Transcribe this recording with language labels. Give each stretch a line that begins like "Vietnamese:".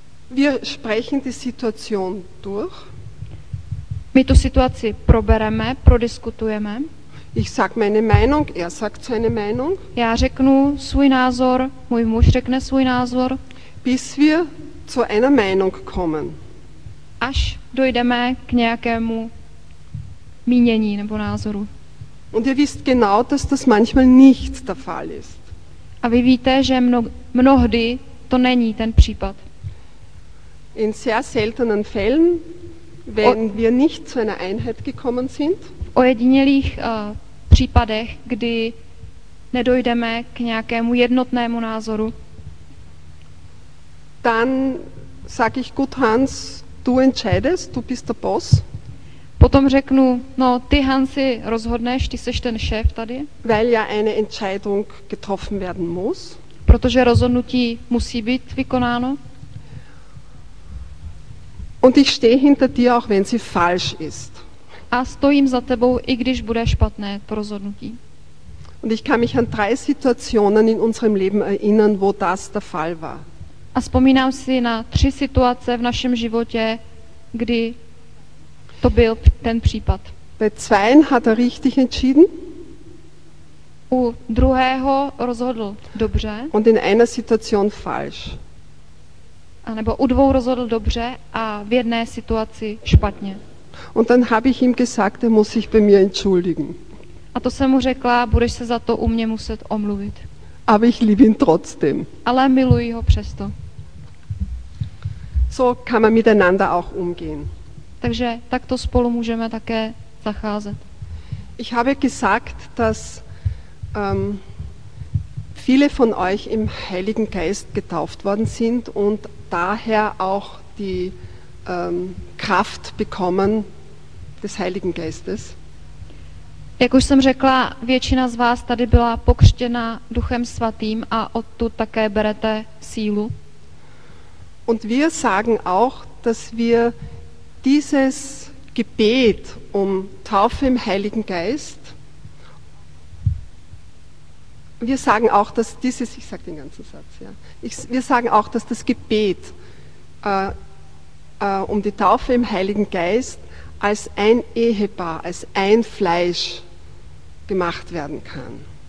German: Wir sprechen die Situation durch.
Czech: My tu situaci probereme, prodiskutujeme.
German: Ich sag meine Meinung, er sagt seine Meinung.
Czech: Já řeknu svůj názor, můj muž řekne svůj názor.
German: Bis wir zu einer Meinung kommen.
Czech: Až dojdeme k nějakému mínění nebo názoru.
German: Und ihr wisst genau, dass das manchmal nicht der Fall ist.
Czech: A vy víte, že mnohdy to není ten případ.
German: In sehr seltenen Fällen, wenn wir nicht zu einer Einheit gekommen sind.
Czech: O jedinělých případech, kdy nedojdeme k nějakému jednotnému názoru.
German: Dann sag ich gut Hans, du entscheidest, du bist der Boss.
Czech: Potom řeknu, no ty Hansi rozhodneš, ty seš ten šéf tady.
German: Weil ja eine Entscheidung getroffen werden muss.
Czech: Protože rozhodnutí musí být vykonáno.
German: Und ich stehe hinter dir, auch wenn sie falsch ist.
Czech: A stojím za tebou, i když bude špatné to rozhodnutí.
German: Und ich kann mich an drei Situationen in unserem Leben erinnern, wo das der Fall war.
Czech: A vzpomínám si na tři situace v našem životě, kdy to byl ten případ.
German: Bei zweien hat richtig entschieden.
Czech: U druhého rozhodl dobře.
German: Und in einer Situation falsch.
Czech: A nebo u dvou rozhodl dobře a v jedné situaci špatně.
German: Und dann habe ich ihm gesagt, er muss sich bei mir entschuldigen.
Czech: A to jsem mu řekla, budeš se za to u mě muset omluvit.
German: Aber ich liebe ihn trotzdem.
Czech: Ale miluji ho přesto.
German: So kann man miteinander auch umgehen.
Czech: Takže takto spolu můžeme také zacházet.
German: Ich habe gesagt, dass viele von euch im Heiligen Geist getauft worden sind und daher auch die Kraft bekommen des Heiligen Geistes.
Czech: Jak už jsem řekla, většina z vás tady byla pokřtěna Duchem Svatým a odtud také berete sílu.
German: Und wir sagen auch, dass wir dieses Gebet Taufe im Heiligen Geist, wir sagen auch, dass dieses, ich sage den ganzen Satz, ja, wir sagen auch, dass das Gebet die Taufe im Heiligen Geist als ein Ehepaar, als ein Fleisch gemacht werden kann.